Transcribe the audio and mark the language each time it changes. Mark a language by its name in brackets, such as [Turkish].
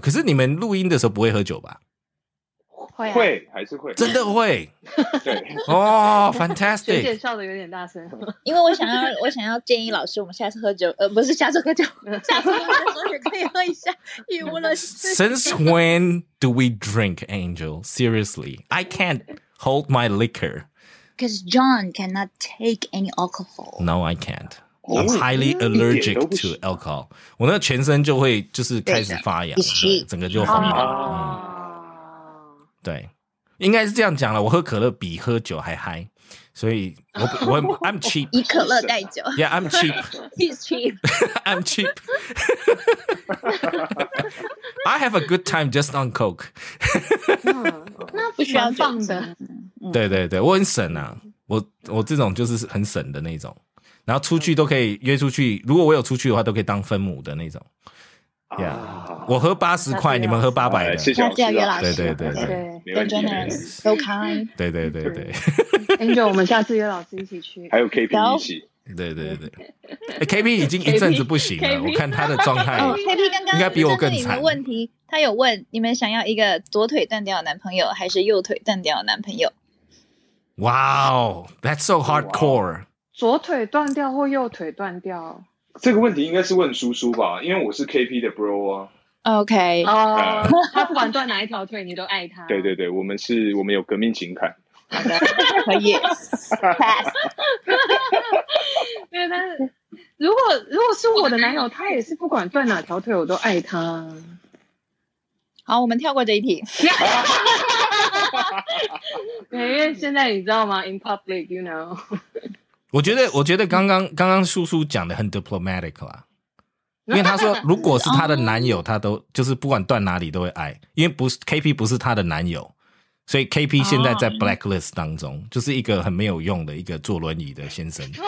[Chinese] 可是你们录音的时候不会喝酒吧？会、啊、还是会真的会，对 [English] 哦、oh, ，fantastic！ [Chinese] 学姐笑的有点大声，因为我想要建议老师，我们下次喝酒，不是下次喝酒，下次喝酒也可以喝一下，语无伦次。 [English] Since when do we drink, Angel? Seriously, I can't hold my liquor. Because John cannot take any alcohol. No, I can't. I'm highly allergic to alcohol. [Chinese] 我那全身就会就是开始发痒，整个就红了。对，应该是这样讲了。我喝可乐比喝酒还嗨，所以我 [English] I'm cheap， [Chinese] 以可乐代酒。 [English] Yeah, I'm cheap. He's cheap. I'm cheap. I have a good time just on coke. [Chinese] 那不需要放的。对对对，我很省啊，我这种就是很省的那种，然后出去都可以约出去，如果我有出去的话，都可以当分母的那种。 Yeah, 我喝80块，你们喝800的，谢谢老师。对对对对，对，真的 [English] ，so kind。 [Chinese] 对对对对，Angel， 我们下次约老师一起去，还有 KP 一起。对对对、欸、，KP 已经一阵子不行了， KP, 我看他的状态，KP 刚刚应该比我更惨。问题，他有问你们想要一个左腿断掉的男朋友，还是右腿断掉的男朋友 [English] ？Wow, that's so hardcore、oh, wow。 [Chinese] 左腿断掉或右腿断掉？这个问题应该是问叔叔吧，因为我是 KP 的 bro 啊。 OK，哦、他不管断哪一条腿，你都爱他。对对对，我们有革命情感。好的，可以。对，但是如果是我的男友，他也是不管断哪条腿，我都爱他。好，我们跳过这一题。因为现在你知道吗 ？ [English] In public, you know 。 [Chinese] 我觉得刚刚叔叔讲的很 diplomatic 啦，因为他说如果是他的男友，他都就是不管断哪里都会爱，因为不是 KP 不是他的男友，所以 KP 现在在 blacklist 当中，就是一个很没有用的一个坐轮椅的先生。